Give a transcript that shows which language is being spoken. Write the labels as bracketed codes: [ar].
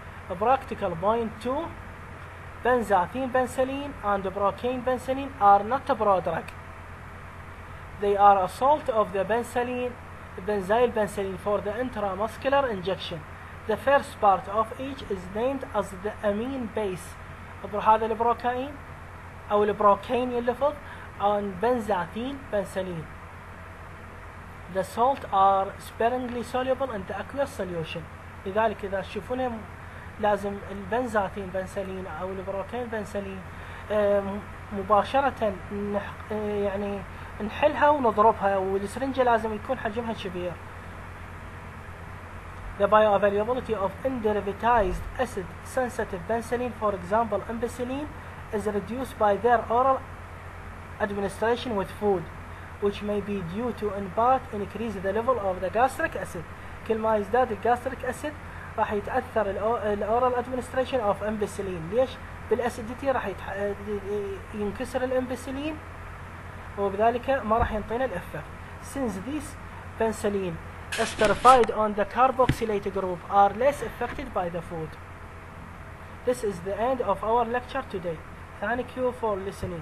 [en] A practical point 2, benzathine penicillin and procaine penicillin are not a prodrug. They are a salt of the penicillin, benzyl penicillin for the intramuscular injection. The first part of each is named as the amine base. [ar] هذا البروكاين او البروكاين يلفظ عن بنزاثين بنسلين. [en] The salt are sparingly soluble in the aqueous solution. [ar] لذلك اذا تشوفونه لازم البنزاثين بنسلين او البروكين بنسلين مباشره يعني نحلها ونضربها، والسرنجه لازم يكون حجمها كبير. [en] The bioavailability of inderivatized acid sensitive penicillin, for example ampicillin, is reduced by their oral administration with food, which may be due to in part increase the level of the gastric acid. [ar] كل ما يزداد الجاستريك اسيد راح يتاثر الاورال ادمنستريشن اوف امبسيلين، ليش؟ بالاسيديتي راح ينكسر الامبسيلين وبذلك ما راح ينطينا الافكت. [en] Since this penicillin esterified on the carboxylate group are less affected by the food. This is the end of our lecture today. Thank you for listening.